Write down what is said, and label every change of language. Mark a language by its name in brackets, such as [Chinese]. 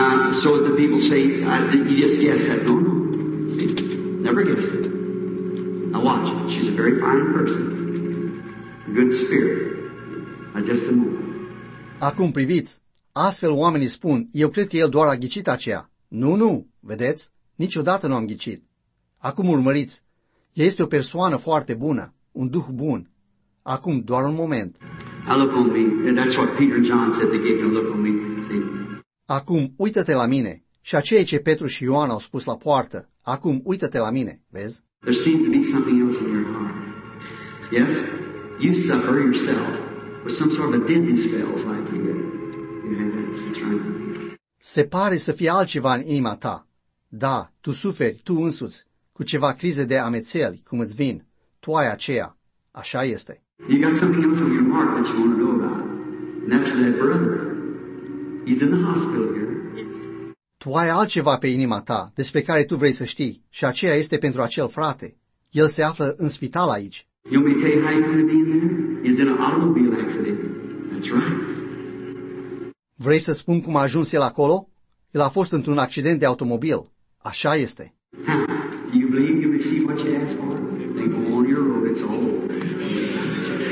[English] So the people say, you just guess that, don't you? See? Never guess that. Now watch, she's a very fine person. Good spirit. Now just a moment. [Romanian] Acum priviți, astfel oamenii spun, eu cred că el doar a ghicit aceea. Nu, vedeți? Niciodată nu am ghicit. Acum urmăriți, ea este o persoană foarte bună, un duh bun. Acum doar un moment. [English] I look on me, and that's what Peter and John said, they gave him a look on me. See? [Romanian] Acum, uită-te la mine. Și aceea ce Petru și Ioan au spus la poartă. Acum, uită-te la mine, vezi? [English] There seems to be something else in your heart. Yes? You suffer yourself with some sort of a dizzy spell, like you have that strength. [Romanian] Se pare să fie altceva în inima ta. Da, tu suferi, tu însuți, cu ceva crize de amețeli, cum îți vin. Tu ai aceea. Așa este. [English] You got something else on your heart that you want to know about. And that's that brother. He's in the hospital here. Yes. [Romanian] Tu ai altceva pe inima ta, despre care tu vrei să știi, și aceea este pentru acel frate. El se află în spital aici. [English] You want me to tell you how he's going to be in there? He's in an automobile accident. That's right. [Romanian] Vrei să spun cum a ajuns el acolo? El a fost într-un accident de automobil. Așa este. [English] Do you believe you receive what you ask for? Then go on your road, it's all over.